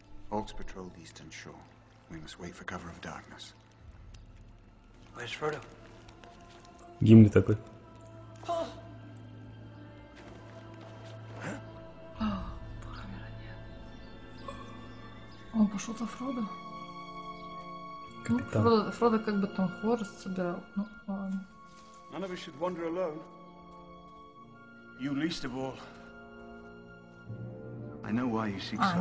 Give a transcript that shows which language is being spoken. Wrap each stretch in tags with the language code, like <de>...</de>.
<en>Orcs patrol the eastern shore. We must wait for cover of darkness. Where's Frodo?</en> <ru>Gimli такой. Он пошел за Фродо. Капитан. Ну, Фродо как бы там хворост собирал. Ну, ладно.</ru> <en>None of us should wander alone. You least of all. I know why you seek solitude.</en>